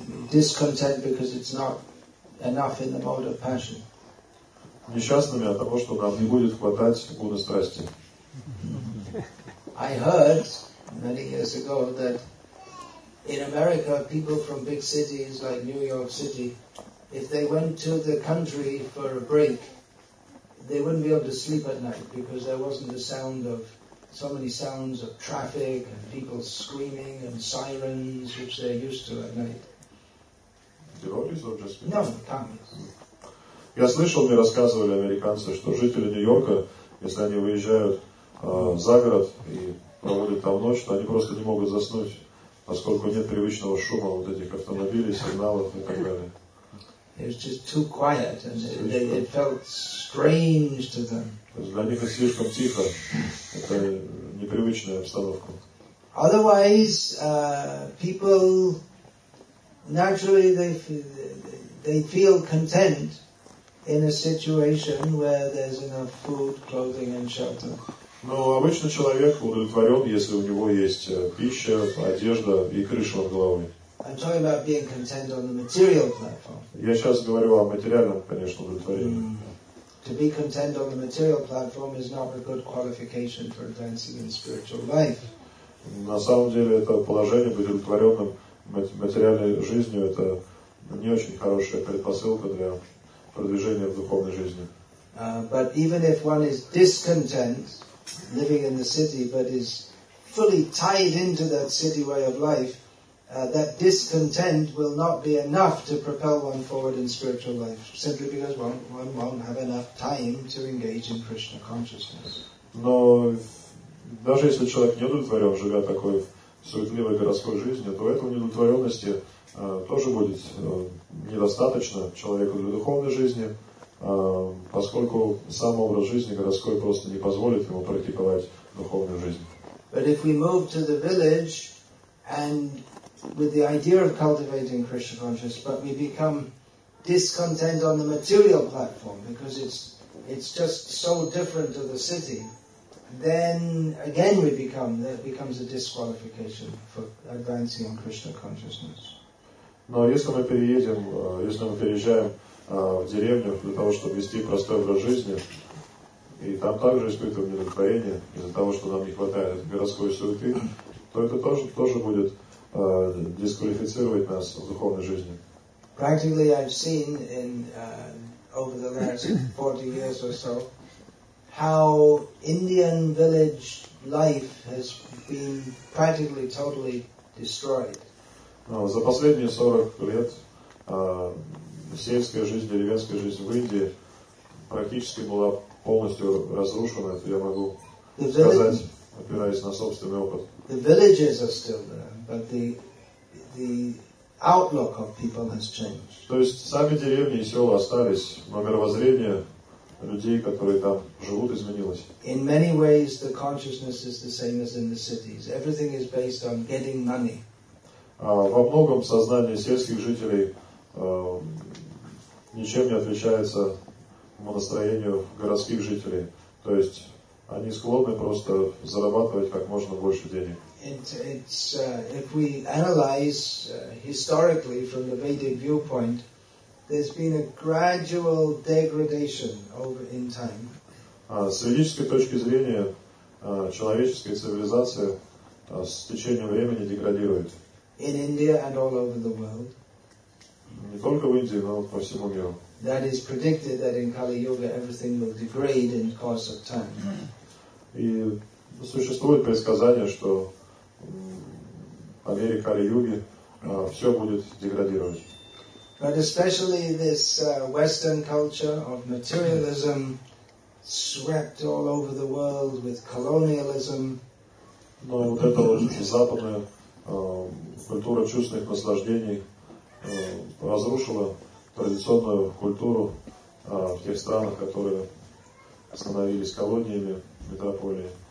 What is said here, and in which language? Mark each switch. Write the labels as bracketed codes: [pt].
[en] Discontent because it's not enough in the mode of passion. [ru] Несчастными от того, что нам не будет хватать гуны страсти. [en] I heard many years ago that in America, people from big cities like New York City, if they went to the country for a break, they wouldn't be able to sleep at night because there wasn't the sound of so many sounds of traffic and people screaming and sirens which they're used to at night. Devotees or just people? No, communists. [ru] Я слышал, мне рассказывали американцы, что жители Нью-Йорка, если они выезжают за город и проводят там ночь, то они просто не могут заснуть, поскольку нет привычного шума вот этих автомобилей, сигналов и так далее. [en] It was just too quiet, and it felt strange to them. [ru] Для них это слишком тихо. Это непривычная обстановка. [en] Otherwise, people naturally they feel content in a situation where there's enough food, clothing, and shelter. [ru] Но обычно человек удовлетворен, если у него есть пища, одежда и крыша над головой. [en] I'm talking about being content on the material platform. [ru] Я сейчас говорю о материальном, конечно, удовлетворении. [en] To be content on the material platform is not a good qualification for advancing in spiritual life. [ru] На самом деле, это положение быть удовлетворенным материальной жизнью – это не очень хорошая предпосылка для продвижения в духовной жизни. [en] But even if one is discontent living in the city, but is fully tied into that city way of life, that discontent will not be enough to propel one forward in spiritual life, simply because one won't have enough time to engage in Krishna consciousness. [ru] Но даже если человек не удовлетворен, живя такой суетливой городской жизнью, то этого неудовлетворенности тоже будет недостаточно человеку для духовной жизни, поскольку сам образ жизни городской просто не позволит ему практиковать духовную жизнь. [en] But if we move to the village and with the idea of cultivating Krishna consciousness, but we become discontent on the material platform because it's just so different to the city, then again we become, that becomes a disqualification for advancing on Krishna consciousness. [ru] Но если мы переедем, если мы переезжаем в деревню для того, чтобы вести простой образ жизни, и там также испытываем недовольство из-за того, что нам не хватает городской суеты, то это тоже будет дисквалифицировать нас в духовной жизни. [en] Practically I've seen in over the last 40 years or so how Indian village life has been practically totally destroyed. [ru] За последние 40 лет сельская жизнь, деревенская жизнь в Индии практически была полностью разрушена, это я могу сказать, опираясь на собственный опыт. [en] The villages are still there, but the outlook of people has changed. [ru] То есть сами деревни и села остались, но мировоззрение людей, которые там живут, изменилось. [en] In many ways the consciousness is the same as in the cities. Everything is based on getting money. [ru] Во многом сознание сельских жителей ничем не отличается по настроению городских жителей. То есть они склонны просто зарабатывать как можно больше денег. [en] If we analyze historically from the Vedic viewpoint, there's been a gradual degradation over in time. [ru] С ведической точки зрения человеческая цивилизация с течением времени деградирует. [en] In India and all over the world. [ru] Не только в Индии, но по всему миру. [en] That is predicted that in Kali Yuga everything will degrade in the course of time. [ru] И существует предсказание, что по мере Кали Юги все будет деградировать. [en] But especially this Western culture of materialism swept all over the world with colonialism. [ru] Но вот это вот западная культура чувственных наслаждений разрушила традиционную культуру в тех странах, которые становились колониями, метрополией.